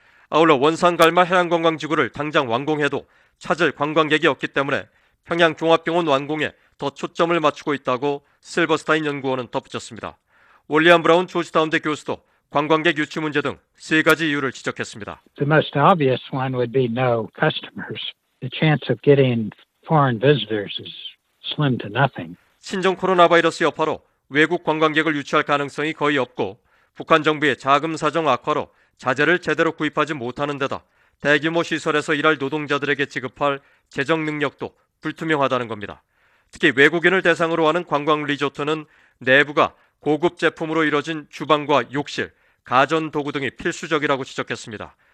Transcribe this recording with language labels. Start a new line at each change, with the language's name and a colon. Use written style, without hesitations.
Korean: 아울러 원산갈마 해양관광지구를 당장 완공해도 찾을 관광객이 없기 때문에 평양종합병원 완공에 더 초점을 맞추고 있다고 실버스타인 연구원은 덧붙였습니다. 월리안 브라운 조지타운대 교수도 관광객 유치 문제 등 세 가지 이유를 지적했습니다.
English: The most obvious one would be no customers. The chance of getting foreign visitors is slim to nothing.
Korean: 신종 코로나 바이러스 여파로 외국 관광객을 유치할 가능성이 거의 없고 북한 정부의 자금 사정 악화로 자재를 제대로 구입하지 못하는 데다 대규모 시설에서 일할 노동자들에게 지급할 재정 능력도 불투명하다는 겁니다. 특히 외국인을 대상으로 하는 관광 리조트는 내부가 고급 제품으로 이뤄진 주방과 욕실, 가전 도구 등이 필수적이라고 지적했습니다.